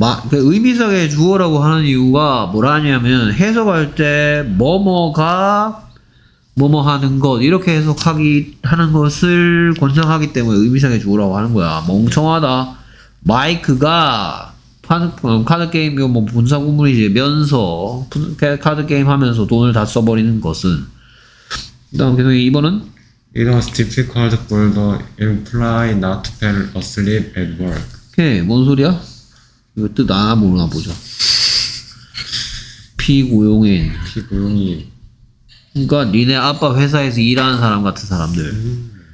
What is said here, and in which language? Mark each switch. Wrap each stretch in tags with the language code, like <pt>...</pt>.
<ko>그 의미상의 주어라고 하는 이유가 뭐라냐면 해석할 때 뭐뭐가 뭐뭐 하는 것 이렇게 해석하기 하는 것을 권장하기 때문에 의미상의 주어라고 하는 거야. 멍청하다. 마이크가 카드게임 뭐 분사 구문이지 면서 카드게임 하면서 돈을 다 써버리는 것은 그 다음 계속 2번은</ko> <en>It was difficult for the employee not to fall asleep at work</en> <ko>오케이 뭔 소리야? 이거 뜻 하나 모르나 보자 피고용인 그러니까 니네 아빠 회사에서 일하는 사람 같은 사람들</ko>